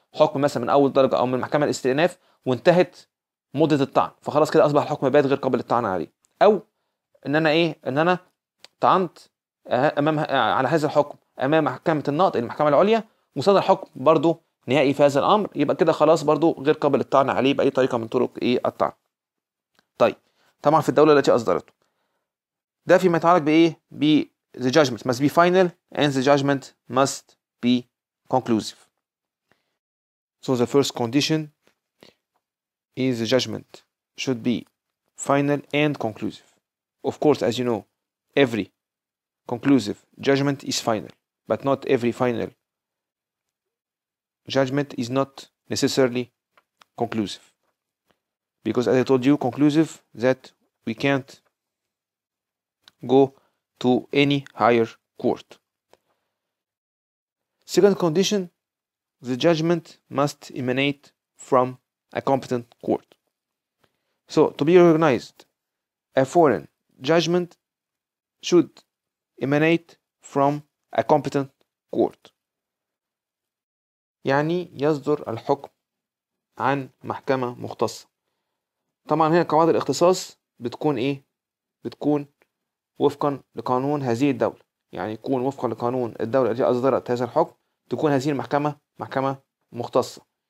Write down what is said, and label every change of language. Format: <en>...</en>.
<ar>حكم مثلا من اول درجه او من المحكمه الاستئناف وانتهت مده الطعن، فخلاص كده اصبح الحكم بائد غير قابل للطعن عليه، او ان انا ايه ان انا طعنت امام على هذا الحكم امام محكمه النقض المحكمه العليا وصدر الحكم برضو نهائي في هذا الامر، يبقى كده خلاص برضو غير قابل للطعن عليه باي طريقه من طرق ايه الطعن. طيب طبعا في الدوله التي اصدرته ده فيما يتعلق بايه ب</ar> <en>the judgment must be final and the judgment must be conclusive. So the first condition is the judgment should be final and conclusive. Of course, as you know, every conclusive judgment is final, but not every final judgment is not necessarily conclusive. Because as I told you, conclusive that we can't go to any higher court. Second condition, the judgment must emanate from a competent court. So to be recognized, a foreign judgment should emanate from a competent court.</en> <ar>يعني يصدر الحكم عن محكمة مختصة. طبعا هنا قواعد الاختصاص بتكون ايه؟ بتكون وفقا لقانون هذه الدولة، يعني يكون وفقا لقانون الدولة التي أصدرت هذا الحكم تكون هذه المحكمة محكمة مختصة.</ar>